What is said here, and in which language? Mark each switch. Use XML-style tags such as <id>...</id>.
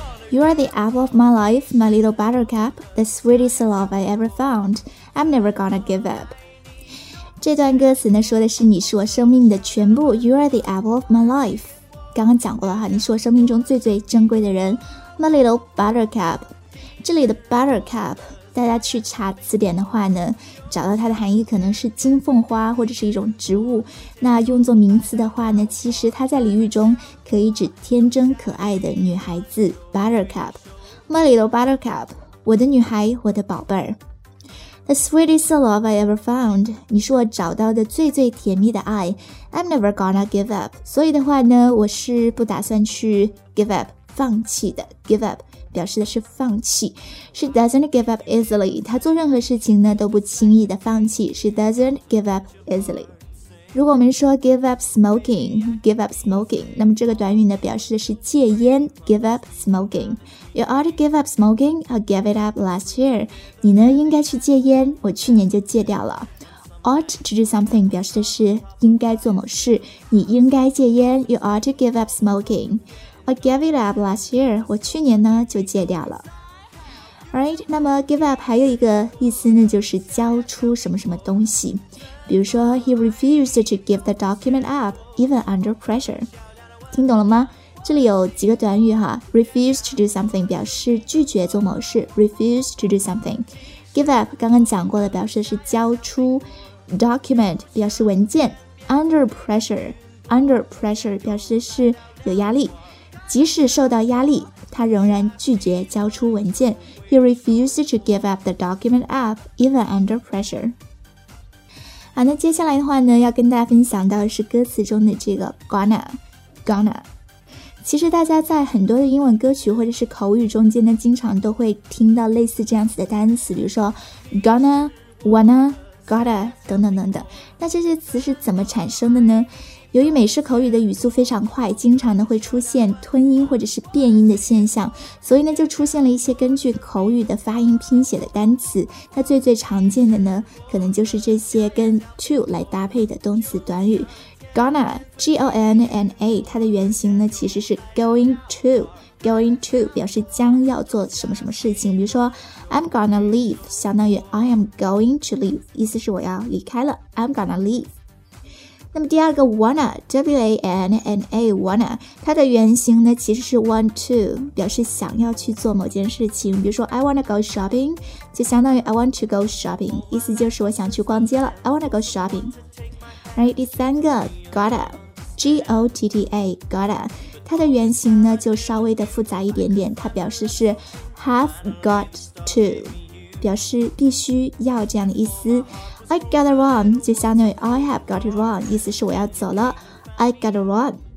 <en>You are the apple of my life, my little buttercup, the sweetest love I ever found. I'm never gonna give up.</en> <zh>这段歌词呢说的是你是我生命的全部。</zh> <en>You are the apple of my life.</en> <zh>刚刚讲过了哈，你是我生命中最最珍贵的人。</zh> <en>My little buttercup.</en> <zh>这里的 buttercup， 大家去查词典的话呢，找到它的含义可能是金凤花或者是一种植物。那用作名词的话呢，其实它在俚语中可以指天真可爱的女孩子 buttercup。</zh> <en>My little buttercup，</en> <zh>我的女孩，我的宝贝儿。</zh> <en>The sweetest love I ever found，</en> <zh>你是我找到的最最甜蜜的爱。</zh> <en>I'm never gonna give up，</en> <zh>所以的话呢我是不打算去 give up， 放弃的。 give up表示的是放弃，是</zh> <en>doesn't give up easily，</en> <zh>他做任何事情呢都不轻易的放弃，是 doesn't give up easily。如果我们说</zh> <en>give up smoking，</en> <zh>give up smoking， 那么这个短语呢表示的是戒烟， give up smoking。</zh> <en>You ought to give up smoking， I gave it up last year，</en> <zh>你呢应该去戒烟，我去年就戒掉了。</zh> <en>ought to do something</en> <zh>表示的是应该做某事，你应该戒烟，</zh> <en>You ought to give up smokingI gave it up last year，</en> <zh>我去年呢就戒掉了。</zh> <en>Alright， 那么 give up</en> <zh>还有一个意思呢就是交出什么什么东西，比如说</zh> <en>He refused to give the document up even under pressure。</en> <zh>听懂了吗？这里有几个短语哈，</zh> <en>refuse to do something</en> <zh>表示拒绝做某事， refuse to do something。 give up 刚刚讲过的表示是交出， document 表示文件，</zh> <en>under pressure，</en> <zh>under pressure 表示是有压力，即使受到压力他仍然拒绝交出文件，</zh> <en>He refused to give up the document up even under pressure。</en> <zh>好，那接下来的话呢要跟大家分享到的是歌词中的这个 gonna gonna。其实大家在很多的英文歌曲或者是口语中间呢经常都会听到类似这样子的单词，比如说 gonna wanna gotta 等等等等，那这些词是怎么产生的呢？由于美式口语的语速非常快，经常呢会出现吞音或者是变音的现象，所以呢就出现了一些根据口语的发音拼写的单词。那最最常见的呢可能就是这些跟 to 来搭配的动词短语。 gonna G-O-N-N-A 它的原型呢其实是 going to， going to 表示将要做什么什么事情，比如说</zh> <en>I'm gonna leave</en> <zh>相当于</zh> <en>I am going to leave，</en> <zh>意思是我要离开了， I'm gonna leave。那么第二个 wanna W-A-N-N-A wanna， 它的原型呢其实是 want to， 表示想要去做某件事情，比如说</zh> <en>I wanna go shopping</en> <zh>就相当于</zh> <en>I want to go shopping，</en> <zh>意思就是我想去逛街了， I wanna go shopping。第三个 gotta G-O-T-T-A gotta，它的原型呢就稍微的复杂一点点，它表示是</zh> <en>have got to，</en> <zh>表示必须要这样的意思。</zh> <en>I gotta run</en> <zh>就相当于</zh> <en>I have got to run，</en> <zh>意思是我要走了，</zh> <en>I gotta run。</en>